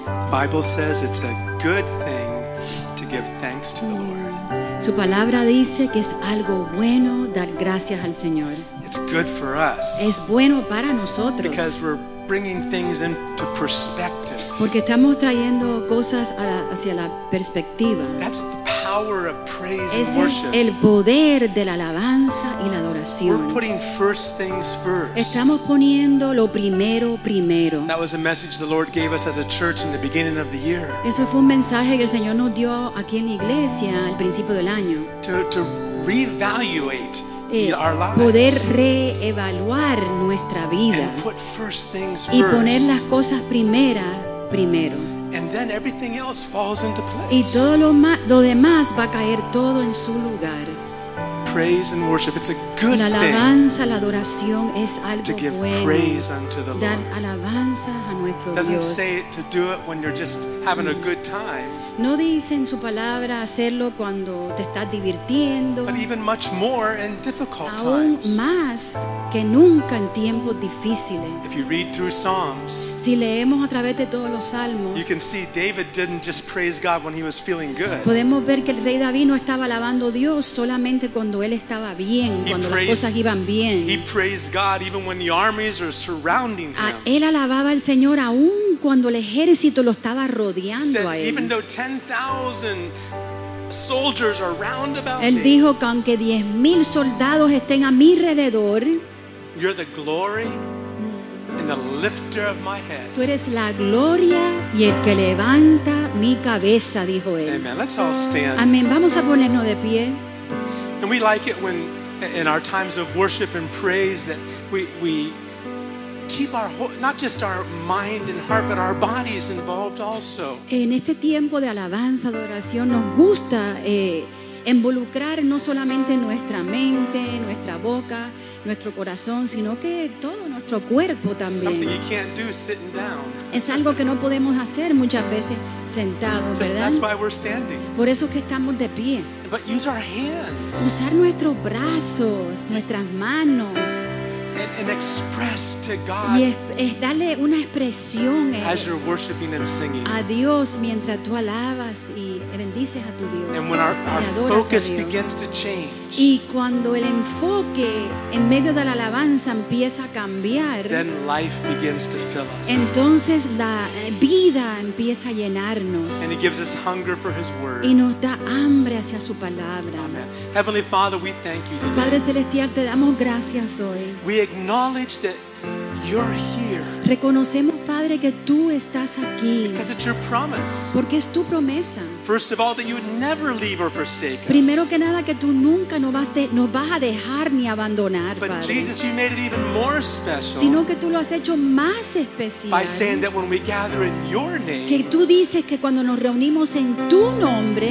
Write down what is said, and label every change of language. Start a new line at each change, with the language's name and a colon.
English: Bible says it's a good thing to give thanks to the Lord.
Spanish: Su palabra dice que es algo bueno dar gracias al Señor.
English: It's good for us.
Spanish: Es bueno para nosotros.
English: Because we're bringing things into perspective.
Spanish: Porque estamos trayendo cosas hacia la perspectiva.
English: That's the power of praise
Spanish: Ese
English: and worship.
Spanish: Es el poder de la alabanza y la adoración.
English: We're putting first things first.
Spanish: Estamos poniendo lo primero primero.
English: That was a message the Lord gave us as a church in the beginning of the year.
Spanish: Eso fue un mensaje que el Señor nos dio aquí en la iglesia al principio del año.
English: To reevaluate our lives.
Spanish: Poder reevaluar nuestra vida.
English: And put first things first.
Spanish: Y poner las cosas primeras primero.
English: And then everything else falls into place.
Spanish: Y todo lo demás va a caer todo en su lugar.
English: Praise and worship, it's a good
Spanish: la alabanza, thing la adoración es algo
English: to give
Spanish: bueno.
English: Praise unto the
Spanish: dar
English: Lord.
Spanish: Alabanza a nuestro
English: Doesn't
Spanish: Dios.
English: Doesn't say it to do it when you're just having a good time.
Spanish: No dice en su palabra hacerlo cuando te estás divirtiendo.
English: But even much more in difficult
Spanish: aún
English: times.
Spanish: Aún más que nunca en tiempos difíciles.
English: If you read through Psalms,
Spanish: si leemos a través de todos los salmos,
English: you can see David didn't just praise God when he was feeling good.
Spanish: Podemos ver que el rey David no estaba alabando a Dios solamente cuando él estaba bien,
English: he
Spanish: cuando
English: praised,
Spanish: las cosas iban bien.
English: He praised God even when the armies were surrounding him.
Spanish: Él alababa al Señor aún cuando el ejército lo estaba rodeando
English: said,
Spanish: a él.
English: Even though 10,000 soldiers are round about
Spanish: él dijo que aunque 10,000 soldados estén a mi alrededor,
English: you're the glory and the lifter of my head.
Spanish: Tú eres la gloria y el que levanta mi cabeza, dijo él.
English: Amen. Let's all stand.
Spanish: Amén. Vamos a ponernos de pie.
English: And we like it when in our times of worship and praise that we keep our whole, not just our mind and heart, but our bodies involved also.
Spanish: En este tiempo de alabanza, adoración, nos gusta involucrar no solamente nuestra mente, nuestra boca, nuestro corazón, sino que todo nuestro cuerpo también.
English: Something you can't do sitting down.
Spanish: Es algo que no podemos hacer muchas veces sentados,
English: just,
Spanish: ¿verdad?
English: That's why we're standing.
Spanish: Por eso es que estamos de pie.
English: But use our hands.
Spanish: Usar nuestros brazos, nuestras manos.
English: And express to God
Spanish: es darle una expresión
English: as you're worshiping and singing.
Spanish: A Dios mientras tú alabas y bendices a tu Dios.
English: And when our focus begins to change.
Spanish: Y cuando el enfoque en medio de la alabanza empieza a cambiar,
English: then life begins to fill us.
Spanish: Entonces la vida empieza a llenarnos.
English: And he gives us hunger for his word.
Spanish: Y nos da hambre hacia su palabra.
English: Amen. Heavenly Father, we thank you today.
Spanish: Padre celestial, te damos gracias hoy.
English: We acknowledge that you're here.
Spanish: Reconocemos, Padre, que tú estás aquí.
English: Because it's your promise.
Spanish: Porque es tu promesa.
English: First of all, that you would never leave or forsake us.
Spanish: Primero que nada, que tú nunca nos vas a dejar ni abandonar,
English: but
Spanish: Padre.
English: But Jesus, you made it even more special.
Spanish: Sino que tú lo has hecho más especial.
English: By saying that when we gather in your name,
Spanish: que tú dices que cuando nos reunimos en tu nombre,